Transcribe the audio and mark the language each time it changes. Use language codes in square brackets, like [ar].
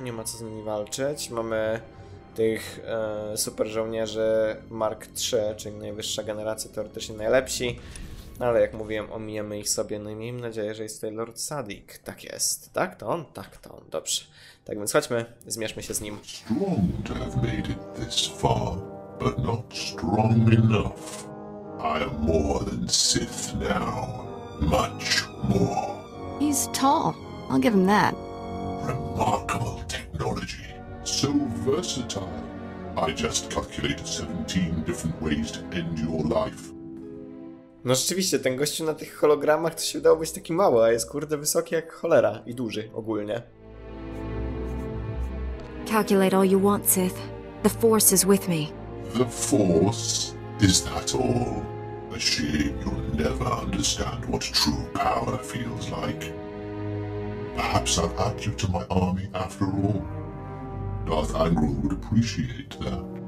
[pl] Nie ma co z nimi walczyć. Mamy tych super żołnierzy Mark III, czyli najwyższa generacja, teoretycznie najlepsi. Ale jak mówiłem, ominiemy ich sobie. No i miejmy nadzieję, że jest tutaj Lord Sadik. Tak jest. Tak to on? Tak to on. Dobrze. Tak więc chodźmy, zmierzmy się z nim. [en] Strong to have made it this far, but not strong enough. I am more than Sith now. Much more. He's tall. I'll give him that. Remarkable technology. So versatile. I just calculated 17 different ways to end your life. [pl] No rzeczywiście, ten gościu na tych hologramach to się udało być taki mały, a jest kurde wysoki jak cholera i duży ogólnie. [en] Calculate all you want, Sith. The Force is with me. The Force? Is that all? A shame you'll never understand what true power feels like. Perhaps I'll add you to my army after all. Darth Angrel would appreciate that.